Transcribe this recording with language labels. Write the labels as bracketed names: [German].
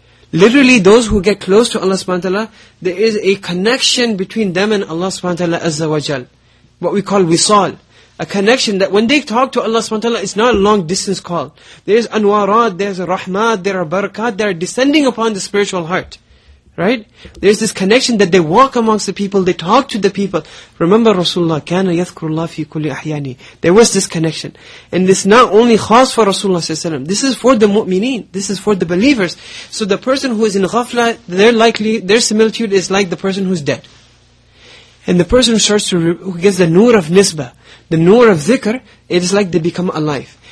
[English] Literally, those who get close to Allah subhanahu wa ta'ala, there is a connection between them and Allah subhanahu wa ta'ala azza wa jal. What we call wisal. A connection that when they talk to Allah subhanahu wa ta'ala, it's not a long distance call. There is anwarat, there is rahmat, there are barakat, they are descending upon the spiritual heart. Right? There's this connection that they walk amongst the people, they talk to the people. Remember Rasulullah, [Arabic] كَانَ يَذْكُرُ اللَّهِ فِي كُلِّ أَحْيَانِ. [English] There was this connection. And this not only khas for Rasulullah ﷺ, this is for the mu'mineen, this is for the believers. So the person who is in ghafla, their similitude is like the person who's dead. And the person who starts to, who gets the nur of nisba, the nur of dhikr, it is like they become alive.